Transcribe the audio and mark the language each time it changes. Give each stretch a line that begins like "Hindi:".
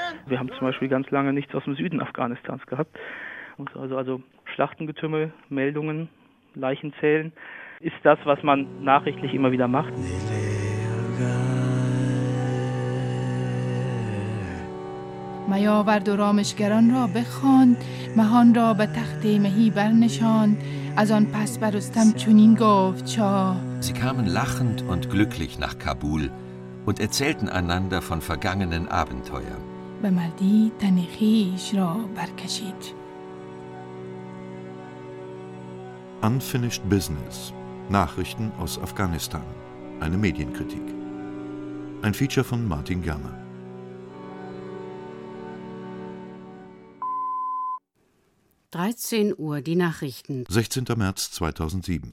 German: Wir haben zum Beispiel ganz lange nichts aus dem Süden Afghanistans gehabt. Also Schlachtengetümmel, Meldungen, Leichenzählen, ist das, was man nachrichtlich immer wieder macht.
Persian: میاورد و رامشگران را بخواند، مهان را به تخت مهی برنشاند. از آن پس بر رستم چنین گفت شاه:
German: Sie kamen lachend und glücklich nach Kabul und erzählten einander von vergangenen Abenteuern.
Persian: به مردی تن خویش را برکشید.
English: Unfinished Business.
German: Nachrichten aus Afghanistan. Eine Medienkritik. Ein Feature von Martin Germer. Die Nachrichten. 16. März 2007.